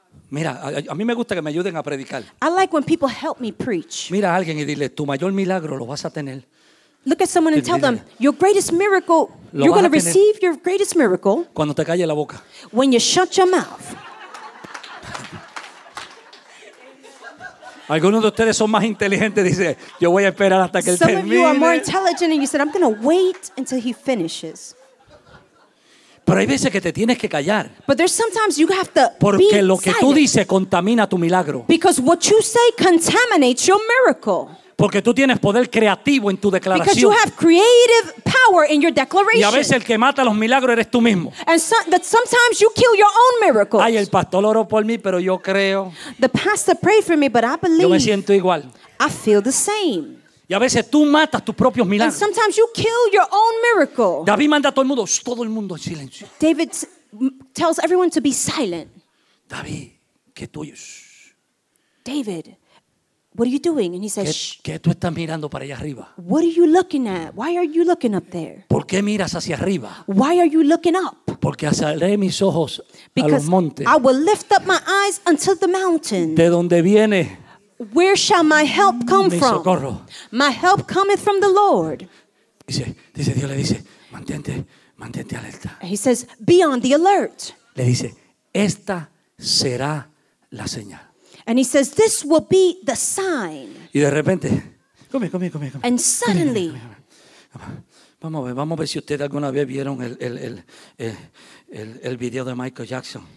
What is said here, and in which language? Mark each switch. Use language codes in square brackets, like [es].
[es] Mira, a mí me gusta que me ayuden a predicar. [en] I like when people help me preach. [es] Mira a alguien y dile, tu mayor milagro lo vas a tener. [en] Look at someone and tell them, your greatest miracle, you're going to receive your greatest miracle [es] cuando te calle la boca. [en] When you shut your mouth. [es] Algunos de ustedes son más inteligentes, dice, yo voy a esperar hasta que él termine. [en] Some of you are more intelligent and you said, I'm going to wait until he finishes. [es] Pero hay veces que te tienes que callar. [en] But there's sometimes you have to [es] porque [en] be [es] lo que [en] silent. [es] Tú dices contamina tu milagro. [en] Because what you say contaminates your miracle. [es] Porque tú tienes poder creativo en tu declaración. [en] Because you have creative power in your declaration. [es] Y a veces el que mata los milagros eres tú mismo. [en] And so, that sometimes you kill your own miracles. [es] Ay, el pastor oró por mí, pero yo creo. [en] The pastor prayed for me, but I believe. [es] Yo me siento igual. [en] I feel the same. [es] Y a veces tú matas tus propios milagros. [en] And sometimes you kill your own miracle. [es] David manda a todo el mundo en silencio. [en] David tells everyone to be silent. [es] David, ¿qué tú oyes? [en] David, what are you doing? And he says, [es] ¿Qué tú estás mirando para allá arriba? [en] What are you looking at? Why are you looking up there? [es] ¿Por qué miras hacia arriba? [en] Why are you looking up? [es] Porque alzaré mis ojos [en] Because [es] a los montes. [en] I will lift up my eyes unto the mountain. [es] ¿De dónde viene? [en] Where shall my help come [es] mi [en] from? [es] Socorro. [en] My help cometh from the Lord. [es] Dice, Dios le dice, mantente alerta. [en] He says, be on the alert. [es] Le dice, esta será la señal. [en] And he says, this will be the sign. [es] Y de repente, [en] come. And suddenly, [es] vamos a ver si ustedes alguna vez vieron el video de Michael Jackson.